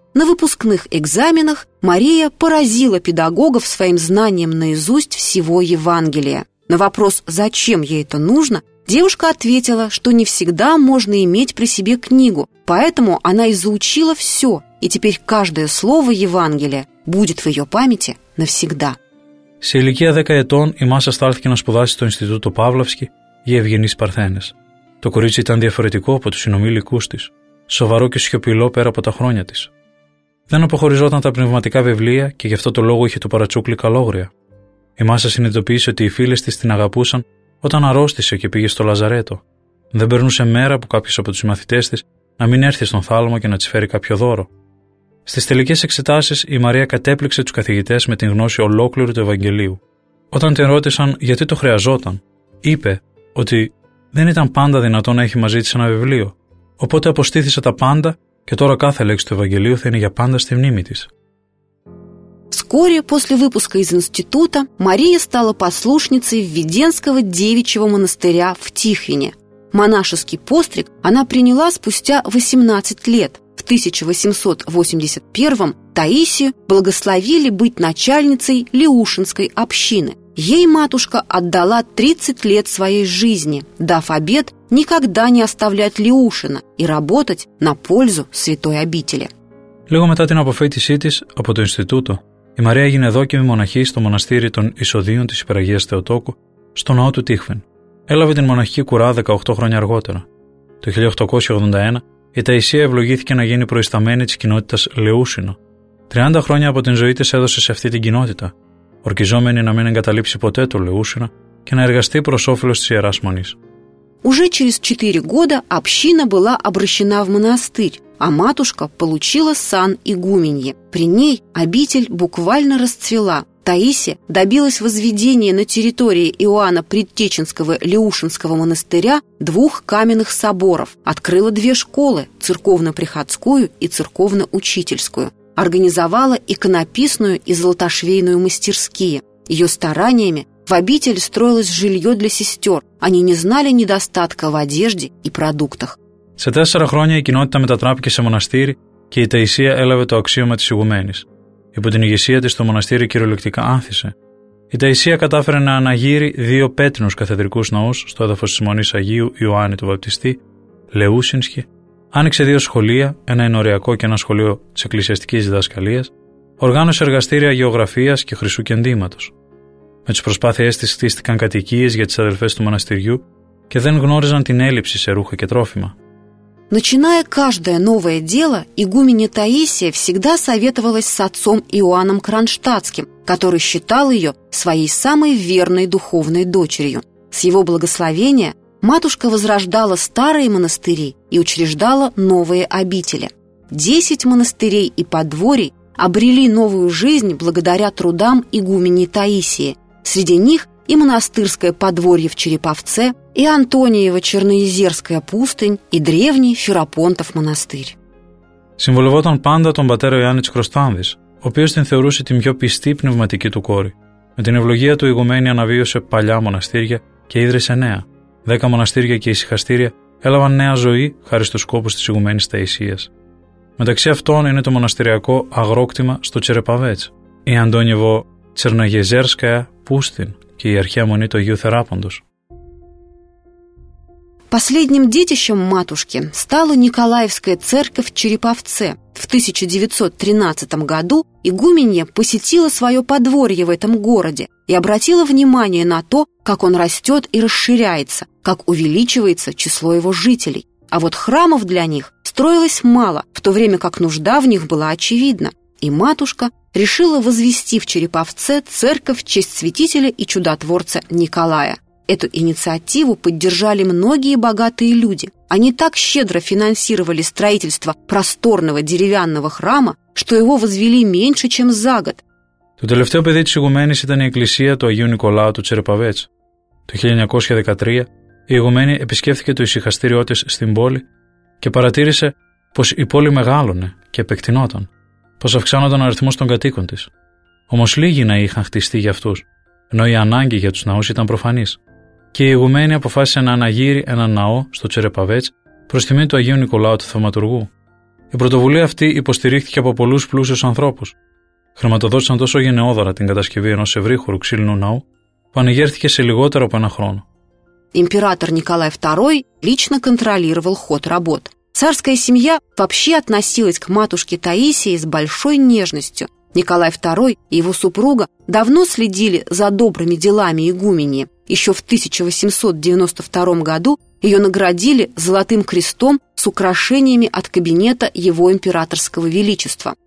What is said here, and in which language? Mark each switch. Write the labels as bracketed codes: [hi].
[ru] На выпускных экзаменах Мария поразила педагогов своим знанием наизусть всего Евангелия. На вопрос, зачем ей это нужно, девушка ответила, что не всегда можно иметь при себе книгу, поэтому она и заучила все, и теперь каждое слово Евангелия будет в ее памяти навсегда. [el] Σε ηλικία 10 ετών η Μάσα στάλθηκε να σπουδάσει στο Ινστιτούτο Παύλαυσκη για ευγενείς Παρθένες. Το κορίτσι ήταν διαφορετικό από τους συνομήλικούς της, σοβαρό και σιωπηλό πέρα από τα χρόνια της. Δεν αποχωριζόταν τα πνευματικά βιβλία και γι' αυτό το λόγο είχε το παρατσούκλι καλόγρια. Η Μάσα συνειδητοποίησε ότι οι φίλες της την αγαπούσαν όταν αρρώστησε και πήγε στο λαζαρέτο. Δεν περνούσε μέρα που κάποιος από τους μαθητές της να μην έρθει στον θάλαμο και να της φέρει κάποιο δώρο. Στις τελικές εξετάσεις η Μαρία κατέπληξε τους καθηγητές με την γνώση ολόκληρου του Ευαγγελίου. Όταν την ρώτησαν γιατί το χρειαζόταν, είπε ότι δεν ήταν πάντα δυνατό να έχει μαζί της ένα βιβλίο. Οπότε αποστήθησε τα πάντα και τώρα κάθε λέξη του Ευαγγελίου θα είναι για πάντα στη μνήμη της. [ru] Вскоре после выпуска из института Мария стала послушницей Введенского девичьего монастыря в Тихвине. Монашеский постриг она приняла спустя 18 лет. В 1881 Таисию благословили быть начальницей Леушинской общины. Ей матушка отдала 30 лет своей жизни, дав обет никогда не оставлять Леушина и работать на пользу святой обители. [el] Λίγο μετά την αποφύτισή της από το Ινστιτούτο, η Μαρία έγινε δόκιμη μοναχή στο μοναστήρι των Ισοδίων της Υπεραγίας Θεοτόκου, στο ναό του Τίχβεν. Έλαβε την μοναχική κουρά 18 χρόνια αργότερα. Το 1881 η Ταϊσία ευλογήθηκε να γίνει προϊσταμένη της κοινότητας Λεούσινο. 30 χρόνια από την ζωή της έδωσε σε αυτή την κοινότητα, ορκιζόμενη να μην εγκαταλείψει ποτέ το Λεούσινο και να εργαστεί προς όφελος της Ιεράς Μονής. [ru] Уже через 4 года община была обращена в монастырь, а матушка получила сан игуменье. При ней обитель буквально расцвела. Таисия добилась возведения на территории Иоанна Предтеченского Леушинского монастыря двух каменных соборов, открыла две школы – церковно-приходскую и церковно-учительскую, организовала иконописную и золотошвейную мастерские. Ее стараниями в обитель строилось жилье для сестер. Они не знали недостатка в одежде и продуктах. [el] Σε 4 χρόνια η κοινότητα μετατράπηκε σε μοναστήρι και η Ταϊσία έλαβε το αξίωμα της Ηγουμένης. Υπό την ηγεσία της το μοναστήρι κυριολεκτικά άνθησε. Η Ταϊσία κατάφερε να αναγείρει δύο πέτρινους καθεδρικούς ναούς στο έδαφος της Μονής Αγίου Ιωάννη του Βαπτιστή, Λεούσινσκι, άνοιξε δύο σχολεία, ένα ενωριακό και ένα σχολείο της εκκλησιαστικής διδασκαλίας, οργάνωσε εργαστήρια γεωγραφίας και χρυσού κεντήματος. Με τις προσπάθειές της στήστηκαν κατοικίες για τις αδελφές του μοναστηριού και δεν γνώριζαν την έλλειψη σε ρούχα και τρόφιμα. [ru] Начиная каждое новое дело, игуменья Таисия всегда советовалась с отцом Иоанном Кронштадтским, который считал ее своей самой верной духовной дочерью. С его благословения матушка возрождала старые монастыри и учреждала новые обители. 10 монастырей и подворий обрели новую жизнь благодаря трудам игуменьи Таисии. Среди них и монастырское подворье в Череповце, и Антониево-Черноезерская пустынь, и древний Ферапонтов монастырь. [el] Συμβολευόταν πάντα τον πατέρα Ιωάννη Κροστάνδης, ο οποίος την θεωρούσε την πιο πιστή πνευματική του κόρη. Με την ευλογία του, η Ηγουμένη αναβίωσε παλιά μοναστήρια και ίδρυσε νέα. 10 μοναστήρια και ησυχαστήρια έλαβαν νέα ζωή χάρη στους κόπους της Ηγουμένης Ταϊσίας. Μεταξύ αυτών είναι το μοναστηριακό αγρόκτημα στο Τσερεπαβέτς, η Αντόνιεβο-Τσερναγεζέρσκαια πούστινη και η αρχαία μονή του Αγίου Θεράποντος. [ru] Последним детищем матушки стала Николаевская церковь в Череповце. В 1913 году игуменья посетила свое подворье в этом городе и обратила внимание на то, как он растет и расширяется, как увеличивается число его жителей. А вот храмов для них строилось мало, в то время как нужда в них была очевидна. И матушка решила возвести в Череповце церковь в честь святителя и чудотворца Николая. Эту инициативу поддержали многие богатые люди. Они так щедро финансировали строительство просторного деревянного храма, что его возвели меньше, чем за год. [el] Το τελευταίο παιδί της Ηγουμένης ήταν η εκκλησία του Αγίου Νικολάου του Τσερεπαβέτς. Το 1913 η Ηγουμένη επισκέφθηκε το ησυχαστήριό της στην πόλη και παρατήρησε πως η πόλη μεγάλωνε και επεκτηνόταν, πως αυξάνονταν ο αριθμός των κατοίκων της. Όμως λίγοι ναοί είχαν χτιστεί για αυτούς, ενώ η ανάγκη για τους ναούς ήταν προφανής. Και η Ηγουμένη αποφάσισε να αναγείρει έναν ναό στο Τσερεπαβέτς προς τιμή του Αγίου Νικολάου του Θαυματουργού. Η πρωτοβουλία αυτή υποστηρίχθηκε από πολλούς πλούσιους ανθρώπους. Χρηματοδότησαν τόσο γενναιόδωρα την κατασκευή ενός ευρύχωρου ξύλινου ναού, που ανεγέρθηκε σε λιγότερο από ένα χρόνο. [ru] Император Николай II лично контролировал ход работ. Царская семья вообще относилась к матушке Таисии с большой нежностью. Николай II и его супруга давно следили за добрыми делами игумени. Еще в 1892 году ее наградили золотым крестом с украшениями от кабинета его императорского величества.